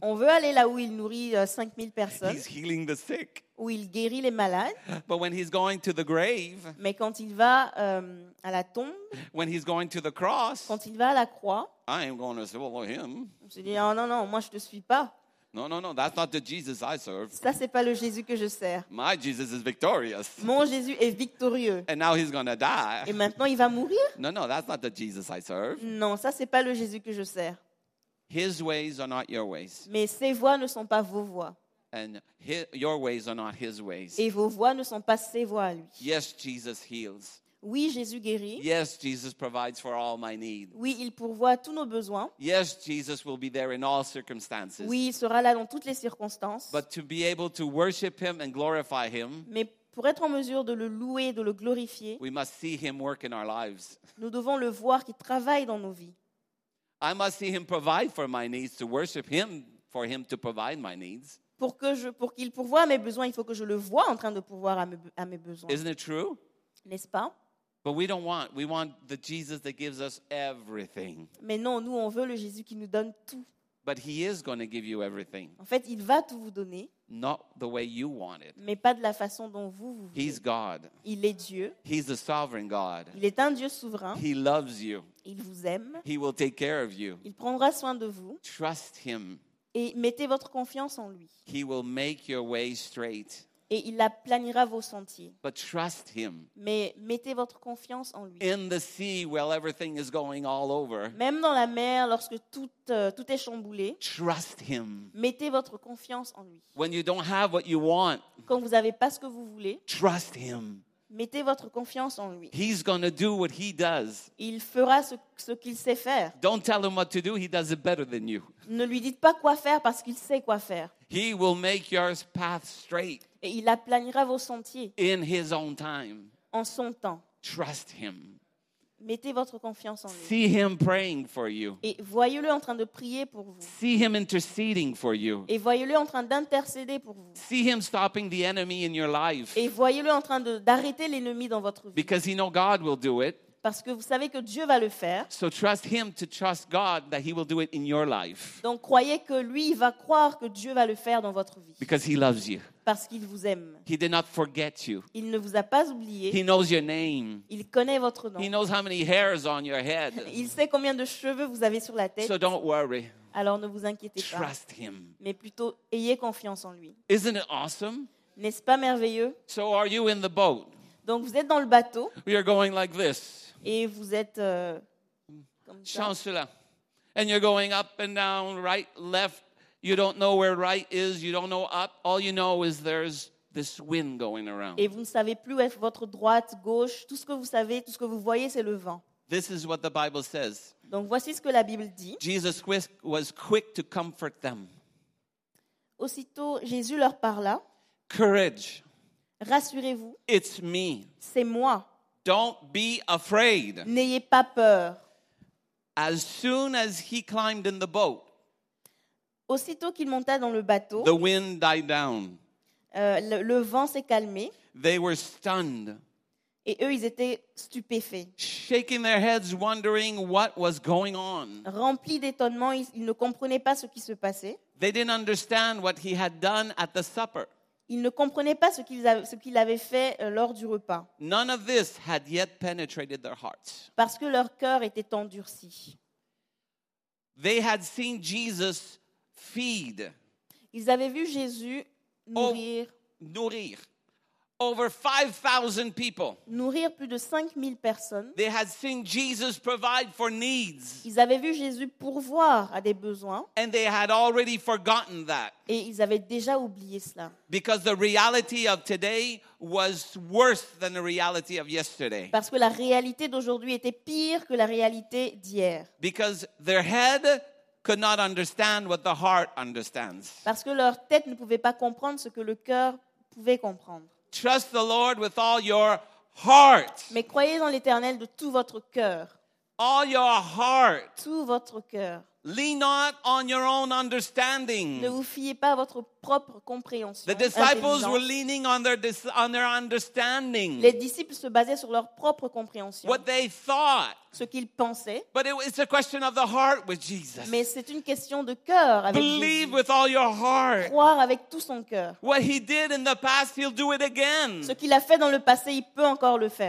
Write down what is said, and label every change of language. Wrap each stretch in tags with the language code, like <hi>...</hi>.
<fr>On veut aller là où il nourrit 5,000 personnes.</fr> <en>He's healing the sick.</en> <fr>Où il guérit les malades.</fr> <en>But when he's going to the grave.</en> <fr>Mais quand il va à la tombe.</fr> <en>When he's going to the cross.</en> <fr>Quand il va à la croix.</fr> <en>I am going to follow him.</en> <fr>Je dis, oh, non, moi je te suis pas.</fr> <en>No, that's not the Jesus I serve.</en> <fr>Ça, c'est pas le Jésus que je sers.</fr> <en>My Jesus is victorious.</en> <fr>Mon Jésus est victorieux.</fr> <en>And now he's gonna die.</en> <fr>Et maintenant, il va mourir.</fr> <en>No, that's not the Jesus I serve.</en> <fr>Non, ça, c'est pas le Jésus que je sers.</fr> <en>His ways are not your ways.</en> <fr>Mais ses voies ne sont pas vos voies.</fr> <en>And your ways are not his ways.</en> <fr>Et vos voies ne sont pas ses voies à lui.</fr> <en>Yes, Jesus heals.</en> <fr>Oui, Jésus guérit.</fr> <en>Yes, Jesus provides for all my need.</en> <fr>Oui, il pourvoit tous nos besoins.</fr> <en>Yes, Jesus will be there in all circumstances.</en> <fr>Oui, il sera là dans toutes les circonstances.</fr> <en>But to be able to worship him and glorify him.</en> <fr>Mais pour être en mesure de le louer, de le glorifier.</fr> <en>We must see him work in our lives.</en> <fr>Nous devons le voir qui travaille dans nos vies.</fr> <en>I must see him provide for my needs to worship him for him to provide my needs.</en> <fr>Pour qu'il pourvoie à mes besoins, il faut que je le voie en train de pourvoir à mes besoins.</fr> <en>Isn't it true?</en> <fr>N'est-ce pas?</fr> <en>But we don't want. We want the Jesus that gives us everything.</en> <fr>Mais non, nous on veut le Jésus qui nous donne tout.</fr> <en>But he is going to give you everything.</en> <fr>En fait, il va tout vous donner.</fr> <en>Not the way you want it.</en> <fr>Mais pas de la façon dont vous voulez.</fr> <en>He's God.</en> <fr>Il est Dieu.</fr> <en>He's the sovereign God.</en> <fr>Il est un Dieu souverain.</fr> <en>He loves you.</en> <fr>Il vous aime.</fr> <en>He will take care of you.</en> <fr>Il prendra soin de vous.</fr> <en>Trust him.</en> <fr>Et mettez votre confiance en lui.</fr> <en>He will make your way straight.</en> <fr>Et il aplanira vos sentiers.</fr> <en>But trust him.</en> <fr>Mais mettez votre confiance en lui.</fr> <en>In the sea, while everything is going all over.</en> <fr>Même dans la mer, lorsque tout est chamboulé.</fr> <en>Trust him.</en> <fr>Mettez votre confiance en lui.</fr> <en>When you don't have what you want.</en> <fr>Quand vous n'avez pas ce que vous voulez.</fr> <en>Trust him.</en> <fr>Mettez votre confiance en lui.</fr> <en>He's gonna do what he does.</en> <fr>Il fera ce qu'il sait faire.</fr> <en>Don't tell him what to do. He does it better than you.</en> <fr>Ne lui dites pas quoi faire parce qu'il sait quoi faire.</fr> <en>He will make your path straight.</en> <fr>Et il aplanira vos sentiers.</fr> <en>In his own time.</en> <fr>En son temps.</fr> <en>Trust him.</en> <fr>Mettez votre confiance en lui.</fr> <en>See him praying for you.</en> <fr>Et voyez-le en train de prier pour vous.</fr> <en>See him interceding for you.</en> <fr>Et voyez-le en train d'intercéder pour vous.</fr> <en>See him stopping the enemy in your life.</en> <fr>Et voyez-le en train d'arrêter l'ennemi dans votre vie.</fr> <en>Because he knows God will do it.</en> <fr>Parce que vous savez que Dieu va le faire.</fr> <en>So trust him to trust God that he will do it in your life.</en> <fr>Donc croyez que lui va croire que Dieu va le faire dans votre vie.</fr> <en>Because he loves you.</en> <fr>Parce qu'il vous aime.</fr> <en>He did not forget you.</en> <fr>Il ne vous a pas oublié.</fr> <en>He knows your name.</en> <fr>Il connaît votre nom.</fr> <en>He knows how many hairs on your head.</en> <fr>Il sait combien de cheveux vous avez sur la tête.</fr> <en>So don't worry.</en> <fr>Alors ne vous inquiétez pas.</fr> <en>Trust him.</en> <fr>Mais plutôt ayez confiance en lui.</fr> <en>Isn't it awesome?</en> <fr>N'est-ce pas merveilleux?</fr> <en>So are you in the boat?</en> <fr>Donc vous êtes dans le bateau. We are going like this. Et vous êtes comme ça. Chancelant.</fr> <en>And you're going up and down, right, left. You don't know where right is. You don't know up. All you know is there's this wind going around.</en> <fr>Et vous ne savez plus où est votre droite, gauche. Tout ce que vous savez, tout ce que vous voyez, c'est le vent.</fr> <en>This is what the Bible says.</en> <fr>Donc voici ce que la Bible dit.</fr> <en>Jesus was quick to comfort them.</en> <fr>Aussitôt, Jésus leur parla.</fr> <en>Courage.</en> <fr>Rassurez-vous.</fr> <en>It's me.</en> <fr>C'est moi.</fr> <en>Don't be afraid.</en> <fr>N'ayez pas peur.</fr> <en>As soon as he climbed in the boat.</en> <fr>Aussitôt qu'il monta dans le bateau.</fr> <en>The wind died down.</en> <fr>Le vent s'est calmé.</fr> <en>They were stunned.</en> <fr>Et eux, ils étaient stupéfaits.</fr> <en>Shaking their heads, wondering what was going on.</en> <fr>Remplis d'étonnement, ils ne comprenaient pas ce qui se passait.</fr> <en>They didn't understand what he had done at the supper.</en> <fr>Ils ne comprenaient pas ce qu'il avait fait lors du repas.</fr> <en>None of this had yet penetrated their hearts.</en> <fr>Parce que leur cœur était endurci.</fr> <en>They had seen Jesus feed.</en> <fr>Ils avaient vu Jésus nourrir. Nourrir.</fr> <en>Over 5,000 people.</en> <fr>Nourrir plus de 5,000 personnes.</fr> <en>They had seen Jesus provide for needs.</en> <fr>Ils avaient vu Jésus pourvoir à des besoins.</fr> <en>And they had already forgotten that.</en> <fr>Et ils avaient déjà oublié cela.</fr> <en>Because the reality of today was worse than the reality of yesterday.</en> <fr>Parce que la réalité d'aujourd'hui était pire que la réalité d'hier.</fr> <en>Because their head could not understand what the heart understands.</en> <fr>Parce que leur tête ne pouvait pas comprendre ce que le cœur pouvait comprendre.</fr> <en>Trust the Lord with all your heart.</en> <fr>Mais croyez dans l'Éternel de tout votre cœur.</fr> <en>All your heart.</en> <fr>Tout votre cœur.</fr> <en>Lean not on your own understanding.</en> <fr>Ne vous fiez pas à votre propre compréhension.</fr> <en>The disciples were leaning on their understanding.</en> <fr>Les disciples se basaient sur leur propre compréhension.</fr> <en>What they thought.</en> <fr>Ce qu'ils pensaient.</fr> <en>But it's a question of the heart with Jesus.</en> <fr>Mais c'est une question de cœur avec</fr> <en>Believe</en> <fr>Jésus.</fr> <en>With all your heart.</en> <fr>Croire avec tout son cœur.</fr> <en>What he did in the past, he'll do it again.</en> <fr>Ce qu'il a fait dans le passé, il peut encore le faire.</fr>